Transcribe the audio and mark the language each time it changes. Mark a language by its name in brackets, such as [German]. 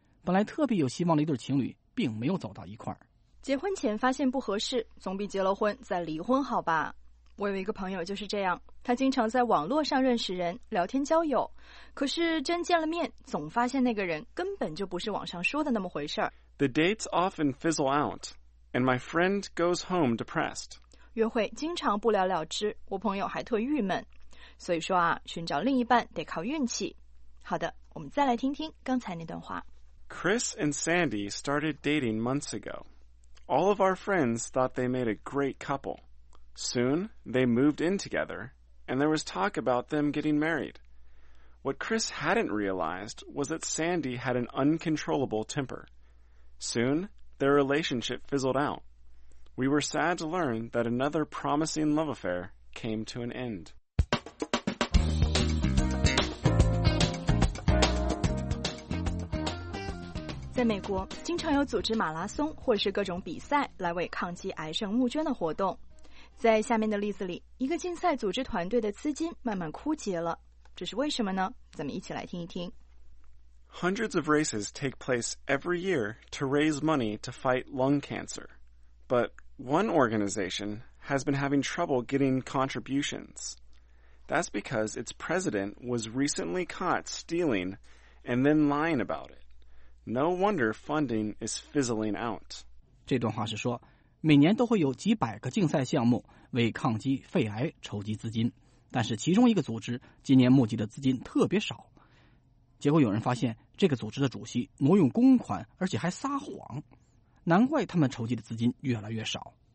[Chinese] 本来特别有希望的一对情侣并没有走到一块儿。结婚前发现不合适，总比结了婚再离婚好吧。我有一个朋友就是这样，他经常在网络上认识人，聊天交友，可是真见了面，总发现那个人根本就不是网上说的那么回事儿。 [English] The dates often fizzle out, and my friend goes home depressed. [Chinese] 约会经常不了了之，我朋友还特郁闷。所以说啊，寻找另一半得靠运气。好的，我们再来听听刚才那段话。 [English] Chris and Sandy started dating months ago. All of our friends thought they made a great couple. Soon, they moved in together, and there was talk about them getting married. What Chris hadn't realized was that Sandy had an uncontrollable temper. Soon, their relationship fizzled out. We were sad to learn that another promising love affair came to an end. [Chinese] In 美国，经常有组织马拉松或是各种比赛来为抗击癌症募捐的活动。在下面的例子里，一个竞赛组织团队的资金慢慢枯竭了，这是为什么呢？咱们一起来听一听。 [English] Hundreds of races take place every year to raise money to fight lung cancer. But one organization has been having trouble getting contributions. That's because its president was recently caught stealing and then lying about it. No wonder funding is fizzling out. [Chinese] 这段话是说，每年都会有几百个竞赛项目为抗击肺癌筹集资金，但是其中一个组织今年募集的资金特别少。结果有人发现这个组织的主席挪用公款，而且还撒谎，难怪他们筹集的资金越来越少。